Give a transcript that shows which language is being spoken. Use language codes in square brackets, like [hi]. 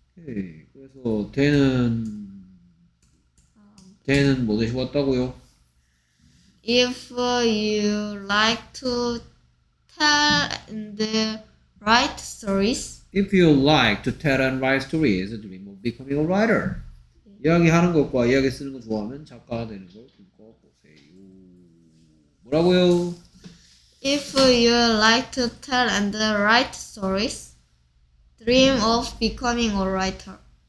[ko] Okay. 그래서 then은 대는 뭐 대신 왔다고요? [en] If you like to tell and write stories. If you like to tell and write stories, dream of becoming a writer. [ko] 이야기 하는 것과 이야기 쓰는 거 좋아하면 작가 되는 걸 꿈꿔보세요. 뭐라고요? [en] If you like to tell and write stories, dream of becoming a writer.